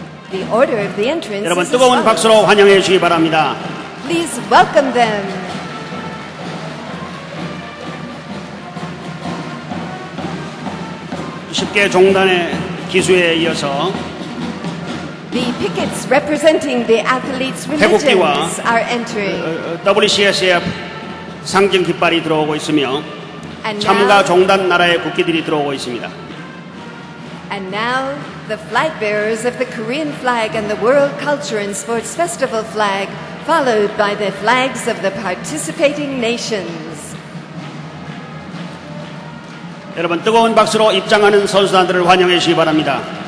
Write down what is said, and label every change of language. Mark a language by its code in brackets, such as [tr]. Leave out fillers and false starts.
[en] The order of the entrance [ko] 여러분 뜨거운 박수로 환영해 주시기 바랍니다. [en] Please welcome them. [ko] 10개 종단의 기수에 이어서 [en] the pickets representing the athletes' religions are entering. [ko] WCSF 상징 깃발이 들어오고 있으며 참가 종단 나라의 국기들이 들어오고 있습니다. [en] And now the flag bearers of the Korean flag and the World Culture and Sports Festival flag followed by the flags of the participating nations. [ko] 여러분 뜨거운 박수로 입장하는 선수단들을 환영해 주시기 바랍니다.